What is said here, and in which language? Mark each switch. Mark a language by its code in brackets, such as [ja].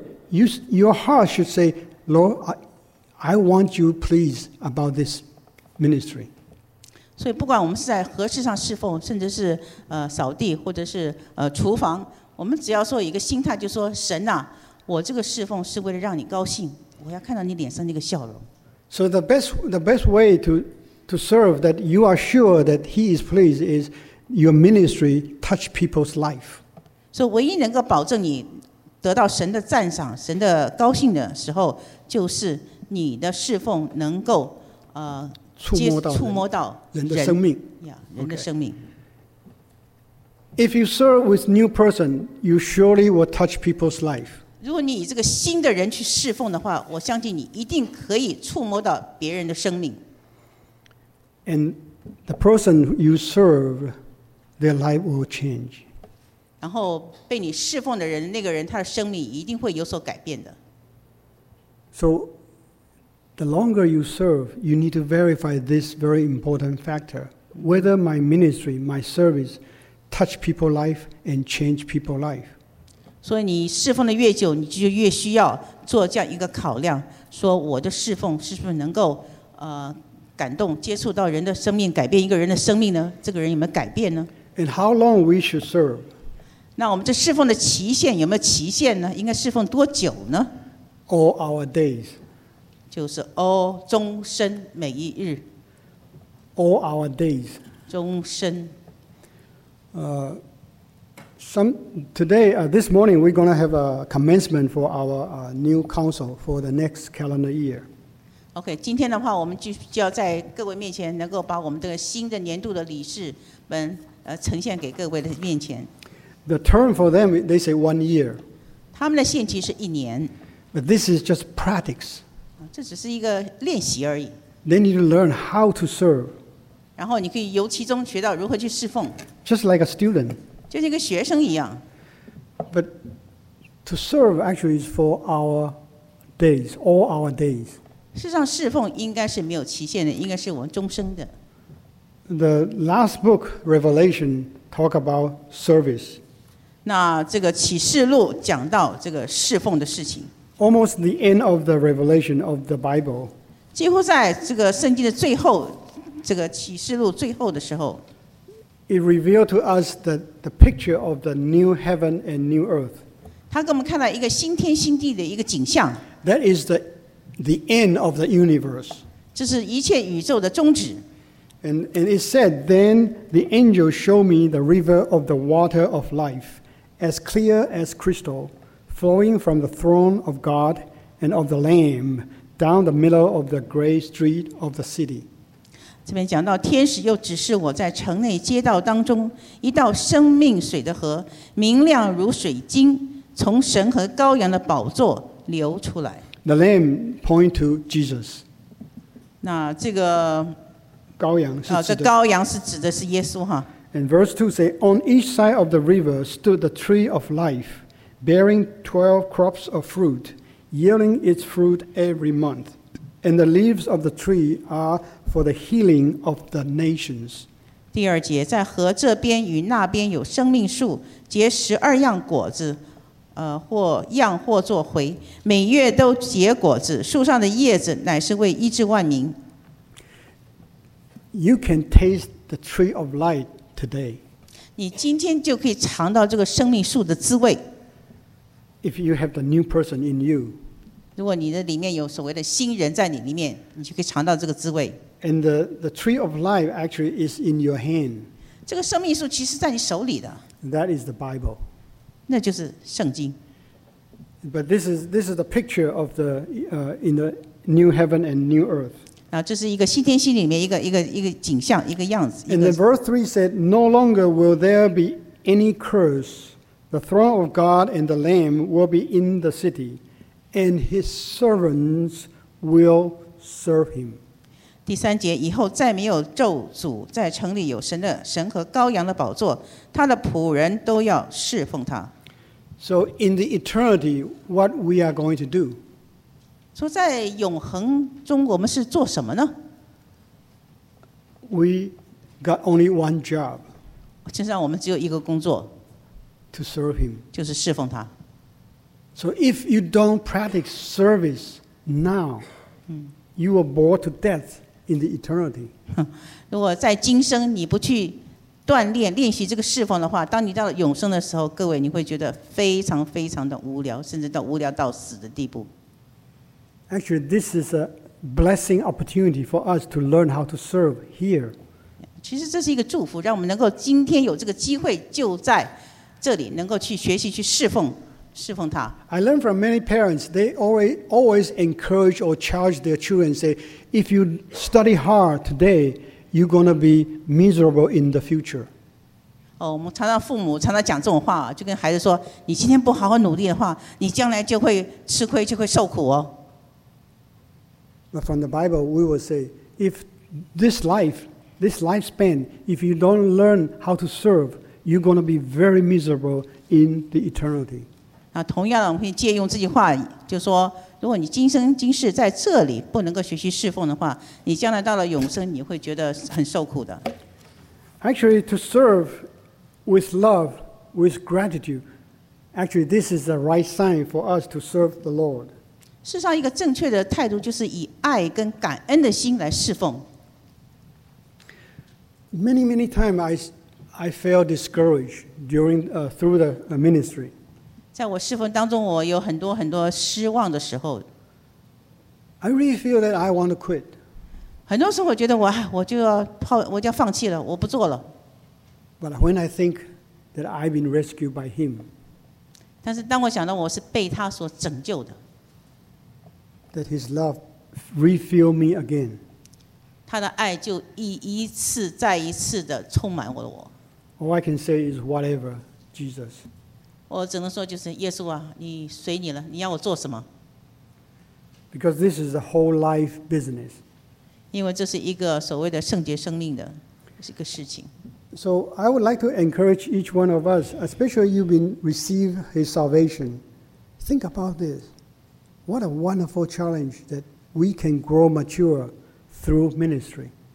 [en] Your heart should say, Lord, I want you please about this ministry. [zh] 所以不管我们是在何事上侍奉，甚至是扫地或者是厨房，我们只要说一个心态，就说神啊，我这个侍奉是为了让你高兴，我要看到你脸上那个笑容。 [en] So the best way to serve that you are sure that He is pleased is. Your ministry touch people's life. [zh] So, 唯一能够保证你得到神的赞赏、神的高兴的时候，就是你的侍奉能够触摸到人的生命。 Yeah, 人的生命。 [en] Okay. If you serve with new person, you surely will touch people's life. [zh] 如果你以这个新的人去侍奉的话，我相信你一定可以触摸到别人的生命。 [en] And the person you serve. Their life will change. [zh] 然后被你侍奉的人，那个人他的生命一定会有所改变的。 [en] So, the longer you serve, you need to verify this very important factor: whether my ministry, my service, touch people's life and change people's life. [zh] 所以你侍奉的越久，你就越需要做这样一个考量：说我的侍奉是不是能够感动、接触到人的生命，改变一个人的生命呢？这个人有没有改变呢？ [en] And how long we should serve? [zh] 那我们这侍奉的期限有没有期限呢？应该侍奉多久呢？ [en] All our days. [zh] 就是 [en] all [zh] 终身每一日。 [en] All our days. [zh] 终身。 [en] This morning we're going to have a commencement for our new council for the next calendar year. [zh] Okay, 今天的话我们就要在各位面前能够把我们这个新的年度的理事们呈现给各位的面前。 [en] The term for them, they say 1 year. [zh] 他们的限期是一年。 [en] But this is just practice. [zh] 这只是一个练习而已。 [en] They need to learn how to serve. [zh] 然后你可以由其中学到如何去侍奉。 [en] Just like a student. [zh] 就像一个学生一样。 [en] But to serve actually is for our days, all our days. [zh] 事实上，侍奉应该是没有期限的，应该是我们终生的。 [en] The last book, Revelation, talk about service. [zh] 那这个启示录讲到这个侍奉的事情。 [en] Almost the end of the Revelation of the Bible. [zh] 几乎在这个圣经的最后，这个启示录最后的时候。 [en] It revealed to us the picture of the new heaven and new earth. [zh] 他给我们看到一个新天新地的一个景象。 [en] That is the end of the universe. [zh] 这是一切宇宙的终止。 [en] And it said, then the angel showed me the river of the water of life, as clear as crystal, flowing from the throne of God and of the Lamb down the middle of the great street of the city. [zh] 这边讲到天使又指示我在城内街道当中一道生命水的河，明亮如水晶，从神和羔羊的宝座流出来。 [en] The Lamb point to Jesus. [zh] 那这个羔羊是指的，这羔羊是指的是耶稣哈。 [en] And verse 2 say, on each side of the river stood the tree of life, bearing 12 crops of fruit, yielding its fruit every month. And the leaves of the tree are for the healing of the nations. [zh] 第二节，在河这边与那边有生命树，结十二样果子，或样或作回，每月都结果子，树上的叶子乃是为医治万民。 [en] You can taste the tree of life today. [zh] 你今天就可以尝到这个生命树的滋味。 [en] If you have the new person in you, [zh] 如果你的里面有所谓的新人在你里面，你就可以尝到这个滋味。 [en] And the tree of life actually is in your hand. [zh] 这个生命树其实在你手里的。 [en] That is the Bible. [zh] 那就是圣经。 [en] But this is the picture of the in the new heaven and new earth. [zh] 这是一个新天新地里面一个景象，一个样子。 [en] And then verse 3 said, No longer will there be any curse. The throne of God and the Lamb will be in the city, and his servants will serve him. [zh] 第三节，以后再没有咒诅，在城里有神的神和羔羊的宝座，他的仆人都要侍奉他。 [en] So in the eternity, what we are going to do? [zh] 说在永恒中我们是做什么呢？ [en] We got only one job. [zh] 身上我们只有一个工作。 [en] To serve him. [zh] 就是侍奉他。 [en] So if you don't practice service now, you are bored to death in the eternity. [zh] 如果在今生你不去锻炼练习这个侍奉的话，当你到永生的时候，各位你会觉得非常非常的无聊，甚至到无聊到死的地步。 [en] Actually, this is a blessing opportunity for us to learn how to serve here. [zh] 其实这是一个祝福，让我们能够今天有这个机会就在这里能够去学习去侍奉他。 [en] I learned from many parents, they always encourage or charge their children, say, if you study hard today, you're going to be miserable in the future. [zh] 我们常常父母常常讲这种话，就跟孩子说，你今天不好好努力的话，你将来就会吃亏，就会受苦哦。 [en] But from the Bible, we will say, if this life, this lifespan, if you don't learn how to serve, you're going to be very miserable in the eternity. [zh] 那同样的，我们可以借用这句话，就说，如果你今生今世在这里不能够学习侍奉的话，你将来到了永生，你会觉得很受苦的。 [en] Actually, to serve with love, with gratitude, actually, this is the right sign for us to serve the Lord. [zh] 事实上，一个正确的态度就是以爱跟感恩的心来侍奉。 [en] Many many times I felt discouraged during through the ministry. [zh] 在我侍奉当中，我有很多很多失望的时候。 [en] I really feel that I want to quit. [zh] 很多时候我觉得我就要放弃了，我不做了。 [en] But when I think that I've been rescued by Him. [zh] 但是当我想到我是被他所拯救的。 [en] That His love refill me again. [zh] 他的爱就一次再一次的充满了我。 [en] All I can say is whatever, Jesus. [zh] 我只能说就是耶稣啊，你随你了，你要我做什么 [en] ？Because this is a whole life business. [zh] 因为这是一个所谓的圣洁生命的一个事情。 [en] So I would like to encourage each one of us, especially you've been received His salvation. Think about this. What a wonderful challenge that we can grow mature through ministry.